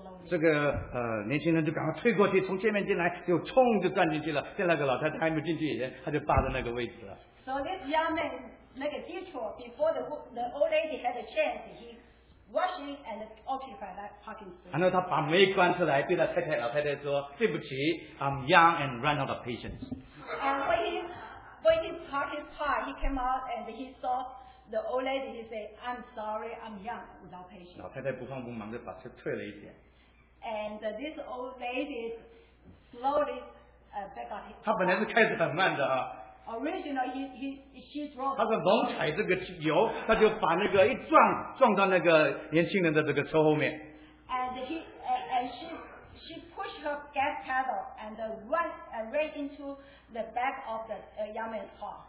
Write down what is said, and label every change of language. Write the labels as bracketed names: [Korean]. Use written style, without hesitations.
[Chinese] 这个年轻人就赶快推过去，从前面进来，就冲就钻进去了。在那个老太太还没进去以前，他就霸着那个位置了。 [English] So this young man make a detour before the old lady had a chance. He rushing and occupied that parking space. [Chinese] 然后他把门一关出来，对他太太老太太说：“对不起 ， [English] I'm young and ran out of patience.” And when he parked his car, he came out and he saw. The old lady, he said, I'm sorry, I'm young, without patience. [Chinese] 老太太不慌不忙地把车退了一点。 [English] And this old lady slowly back out. [Chinese] 她本来是开得很慢的啊。 [English] Originally, she drove. [Chinese] 她说猛踩这个油，她就把那个一撞，撞到那个年轻人的这个车后面。 [English] And she pushed her gas pedal and ran into the back of the young man's car.